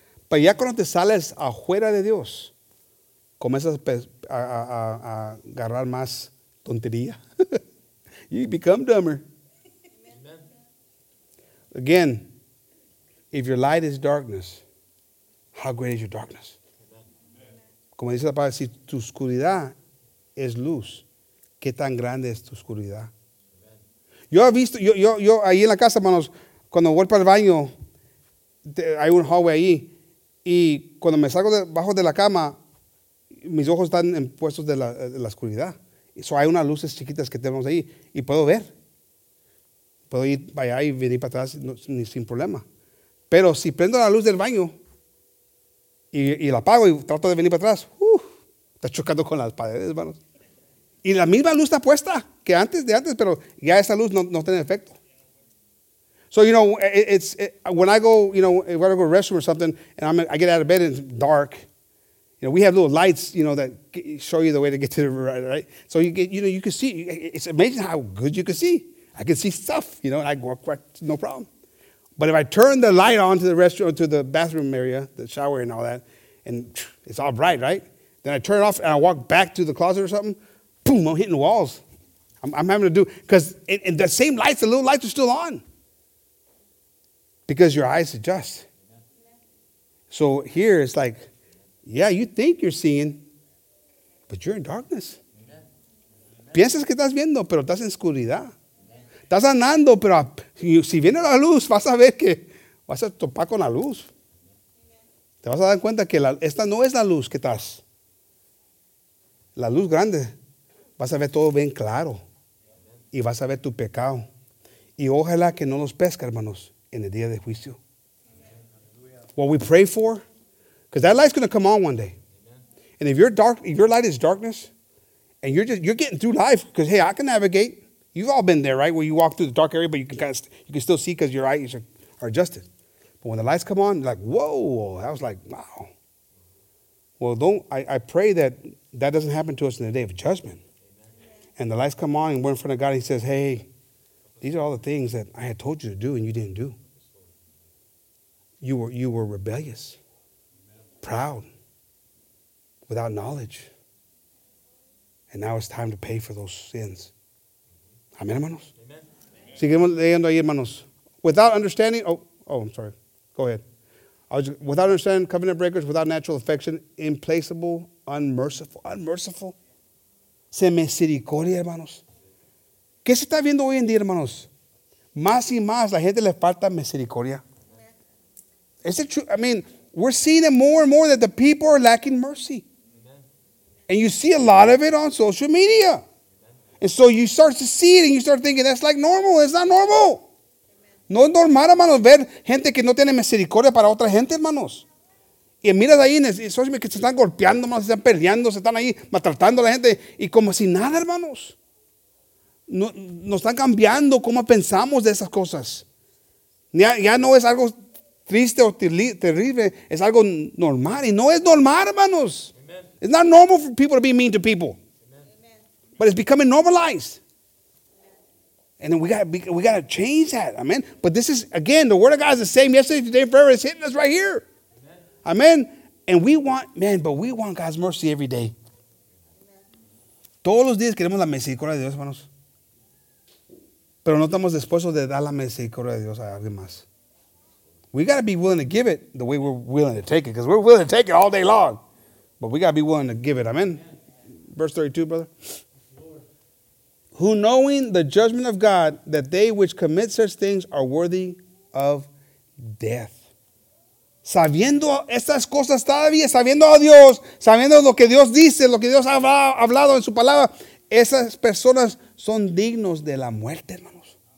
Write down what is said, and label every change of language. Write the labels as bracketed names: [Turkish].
[Spanish] Pero ya cuando te sales afuera de Dios, comienzas a agarrar más tontería. [English] You become dumber. Amen. Again, if your light is darkness, how great is your darkness? [Spanish] Como dice la palabra, si tu oscuridad es luz, ¿qué tan grande es tu oscuridad? Yo he visto, yo ahí en la casa, hermanos, cuando voy para el baño, hay un hallway ahí, y cuando me salgo debajo de la cama, mis ojos están en puestos de la oscuridad. So hay unas luces chiquitas que tenemos ahí, y puedo ver. Puedo ir para allá y venir para atrás sin problema. Pero si prendo la luz del baño, y la apago y trato de venir para atrás, está chocando con las paredes, hermanos. Y la misma luz está puesta que antes, de antes, pero ya esa luz no tiene efecto. [English] So, you know, when I go, you know, when I go to the restroom or something, and I get out of bed and it's dark, you know, we have little lights, you know, that show you the way to get to the right, right? So, you can see, it's amazing how good you can see. I can see stuff, you know, and I walk right, no problem. But if I turn the light on to the restroom, to the bathroom area, the shower and all that, and it's all bright, right? Then I turn it off and I walk back to the closet or something, boom, I'm hitting walls. I'm having to do, because the same lights, the little lights are still on. Because your eyes adjust. So here it's like, yeah, you think you're seeing, but you're in darkness. [Spanish] Piensas que estás viendo, pero estás en oscuridad. Estás andando, pero si viene la luz, vas a ver que vas a topar con la luz. Te vas a dar cuenta que esta no es la luz que estás. La luz grande, vas a ver todo bien claro. Y vas a ver tu pecado. Y ojalá que no los pesca, hermanos, en el día de juicio. [English] What we pray for, because that light's going to come on one day. And if your light is darkness, and you're getting through life, because, hey, I can navigate. You've all been there, right? Where you walk through the dark area, but you can kind of you can still see because your eyes are adjusted. But when the lights come on, you're like, whoa, that was like, wow. Well, I pray that doesn't happen to us in the day of judgment. And the lights come on, and we're in front of God, and He says, hey, these are all the things that I had told you to do, and you didn't do. You were rebellious, proud, without knowledge. And now it's time to pay for those sins. [Spanish] Amen, hermanos. Amen. Seguimos leyendo ahí, hermanos. [English] Without understanding, oh, I'm sorry. Go ahead. Without understanding, covenant breakers, without natural affection, implacable, unmerciful. [Spanish] Se misericordia, hermanos. ¿Qué se está viendo hoy en día, hermanos? Más y más, la gente le falta misericordia. [English] Amen. Is it true? I mean, we're seeing it more and more that the people are lacking mercy. Amen. And you see a lot of it on social media. And so you start to see it and you start thinking, that's like normal. It's not normal. [Spanish] No es normal, hermanos, ver gente que no tiene misericordia para otra gente, hermanos. Y miras ahí, que se están golpeando, hermanos, se están peleando, se están ahí maltratando a la gente. Y como si nada, hermanos. Nos están cambiando cómo pensamos de esas cosas. Ya no es algo triste o terrible, es algo normal. Y no es normal, hermanos. Amen. [English] It's not normal for people to be mean to people. But it's becoming normalized. And then we got to change that. Amen. But this is, again, the word of God is the same yesterday, today, forever. It's hitting us right here. Amen. And we want, man, but we want God's mercy every day. [Spanish] Todos los días queremos la misericordia de Dios, hermanos. Pero no estamos dispuestos de dar la misericordia de Dios a alguien más. [English] We got to be willing to give it the way we're willing to take it, because we're willing to take it all day long. But we got to be willing to give it. Amen. Verse 32, brother. Who knowing the judgment of God, that they which commit such things are worthy of death. [Spanish] Sabiendo estas cosas todavía, sabiendo a Dios, sabiendo lo que Dios dice, lo que Dios ha hablado en su palabra, esas personas son dignos de la muerte, hermanos.